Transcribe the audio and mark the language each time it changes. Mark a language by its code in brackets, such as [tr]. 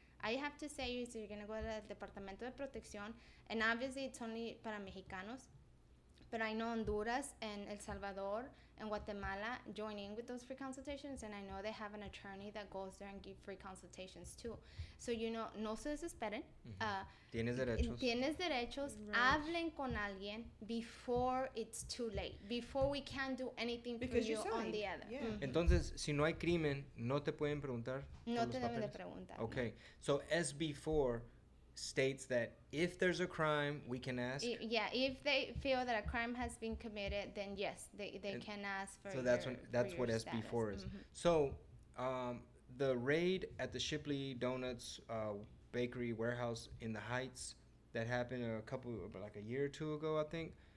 [en] I have to say, so you're gonna go to the Departamento de Protección, and obviously it's only [es] para Mexicanos, [en] but I know Honduras and El Salvador and Guatemala join in with those free consultations, and I know they have an attorney that goes there and give free consultations too. So, you know, [es] no se desesperen. Mm-hmm. Tienes derechos. [en] Right. [es] Hablen con alguien [en] before it's too late, before we can do anything because for you on the other. Yeah. Mm-hmm. [es] Entonces, si no hay crimen, no te pueden preguntar. No te deben de preguntar. [en] Okay, no. So SB4, states that if there's a crime, we can ask. Yeah, if they feel that a crime has been committed, then yes, they can ask for. So that's what SB4 status. Is. Mm-hmm. So the raid at the Shipley Donuts bakery warehouse in the Heights that happened a year or two ago, I think.